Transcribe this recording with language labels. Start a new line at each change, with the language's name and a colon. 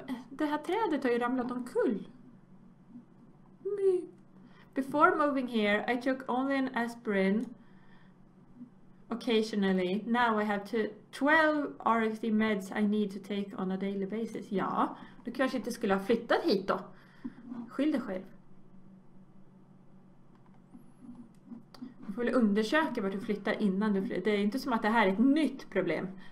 Swedish: Det här trädet har ju ramlat omkull.
English: Before moving here, I took only an aspirin. Occasionally. Now I have 12 RSD meds I need to take on a daily basis.
Swedish: Ja, du kanske inte skulle ha flyttat hit då. Skyll dig själv. Du får väl undersöka vart du flyttar innan du flyttar. Det är inte som att det här är ett nytt problem.